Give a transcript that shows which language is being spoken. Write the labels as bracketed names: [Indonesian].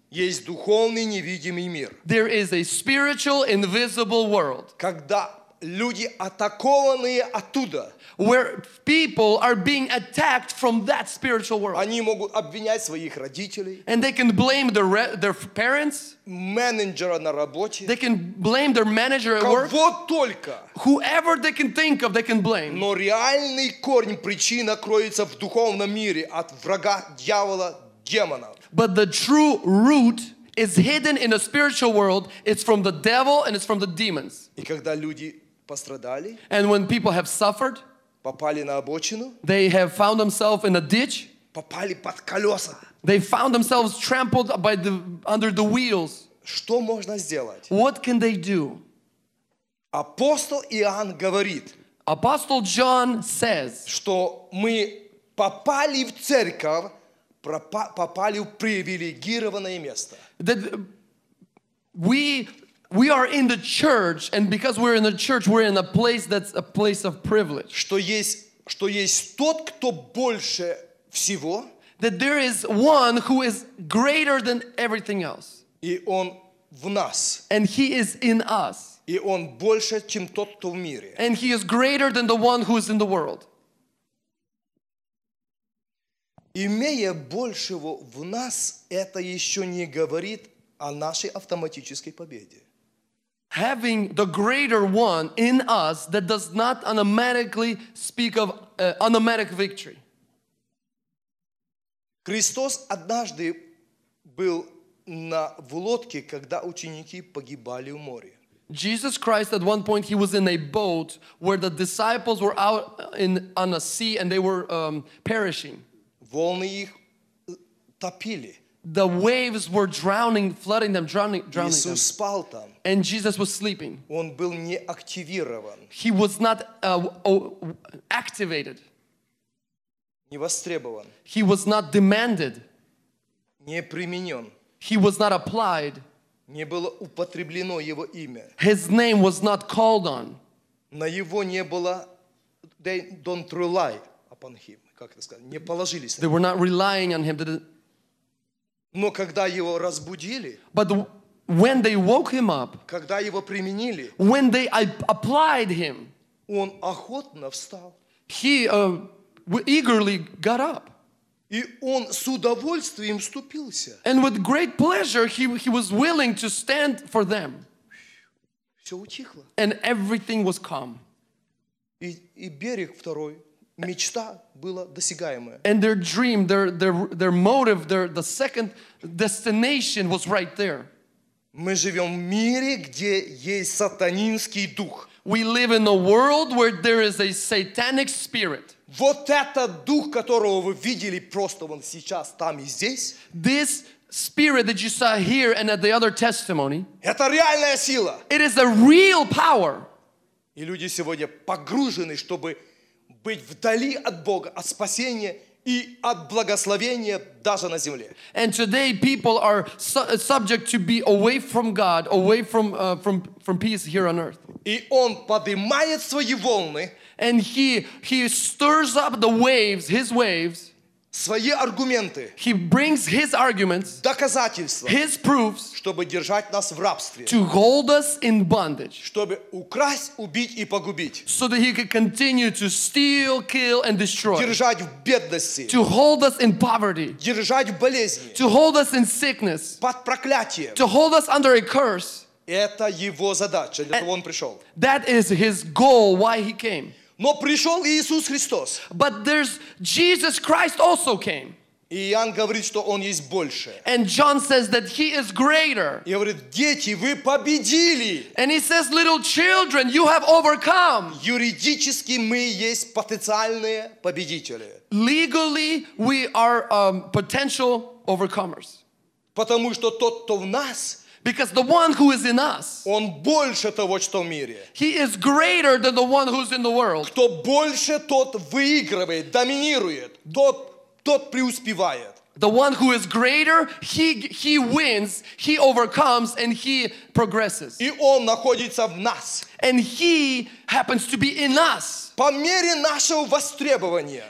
[Russian] Есть духовный невидимый мир. [English] There is a spiritual, invisible world. [Russian] Когда люди атакованные оттуда. [English] Where people are being attacked from that spiritual world. [Russian] Они могут обвинять своих родителей. [English] And they can blame their parents. [Russian] Менеджера на работе. [English] They can blame their manager at work. [Russian] Кого только. [English] Whoever they can think of, they can blame. [Russian] Но реальный корень, причина кроется в духовном мире от врага, дьявола, демонов. [English] But the true root is hidden in the spiritual world. It's from the devil and it's from the demons. [Russian] И когда люди пострадали, [English] and when people have suffered, [Russian] попали на обочину, [English] they have found themselves in a ditch, [Russian] попали под колеса, [English] they found themselves trampled under the wheels. [Russian] Что можно сделать? [English] What can they do? [Russian] Апостол Иоанн говорит, [English] Apostle John says, [Russian] что мы попали в церковь, попали в привилегированное место. [English] That we are in the church, and because we're in the church, we're in a place that's a place of privilege. [Russian] Что есть тот, кто больше всего. [English] That there is one who is greater than everything else. [Russian] И он в нас. [English] And he is in us. [Russian] И он больше, чем тот, кто в мире. [English] And he is greater than the one who is in the world. [Russian] Имея большего в нас, это еще не говорит о нашей автоматической победе. [English] Having the greater one in us, that does not automatically speak of automatic victory. [Russian] Христос однажды был в лодке, когда ученики погибали в море. [English] Jesus Christ, at one point, he was in a boat where the disciples were out on a sea and they were perishing. [Russian] Волны их топили. [English] The waves were drowning, flooding them, drowning [Russian] Иисус Иисус спал там. [English] And Jesus was sleeping. [Russian] Он был не активирован. [English] He was not activated. [Russian] Не востребован. [English] He was not demanded. [Russian] Не применен. [English] He was not applied. [Russian] Не было употреблено его имя. [English] His name was not called on. [Russian] На его не было, [English] they don't rely upon him. [Russian] Как это сказать? Не положились. [English] They were not relying on him. [Russian] Но когда его разбудили, [English] but when they woke him up, [Russian] когда его применили, [English] when they applied him, [Russian] он охотно встал. [English] He eagerly got up. [Russian] И он с удовольствием вступился. [English] And with great pleasure, he was willing to stand for them. [Russian] Все утихло. [English] And everything was calm. [Russian] И берег второй. Мечта была досягаемая. [English] And their dream, their motive, the second destination was right there. [Russian] Мы живем в мире, где есть сатанинский дух. [English] We live in a world where there is a satanic spirit. [Russian] Вот этот дух, которого вы видели просто вон сейчас, там и здесь. [English] This spirit that you saw here and at the other testimony. [Russian] Это реальная сила. [English] It is a real power. [Russian] И люди сегодня погружены, чтобы быть вдали от Бога, от спасения и от благословения даже на земле. [English] And today people are subject to be away from God, away from peace here on earth. [Russian] И он поднимает свои волны. [English] And he stirs up the waves, his waves. [Russian] Свои аргументы. [English] He brings his arguments. [Russian] Доказательства. [English] His proofs. [Russian] Чтобы держать нас в рабстве. [English] To hold us in bondage. [Russian] Чтобы украсть, убить и погубить. [English] So that he could continue to steal, kill and destroy. [Russian] Держать в бедности. [English] To hold us in poverty. [Russian] Держать в болезни. [English] To hold us in sickness. [Russian] Под проклятием. [English] To hold us under a curse. [Russian] Это его задача, для того он пришел. [English] That is his goal, why he came. [Russian] Но пришел Иисус Христос. [English] But there's Jesus Christ also came. [Russian] И Иоанн говорит, что он есть больше. [English] And John says that he is greater. [Russian] И говорит, дети, вы победили. [English] And he says, little children, you have overcome. [Russian] Юридически мы есть потенциальные победители. [English] Legally, we are potential overcomers. [Russian] Потому что тот, кто в нас... [English] Because the one who is in us, [Russian] он больше того, что в мире. [English] He is greater than the one who is in the world. [Russian] Кто больше, тот выигрывает, доминирует, тот преуспевает. [English] The one who is greater, he wins, he overcomes, and he progresses. [Russian] И он находится в нас. [English] And he happens to be in us. [Russian] По мере нашего востребования.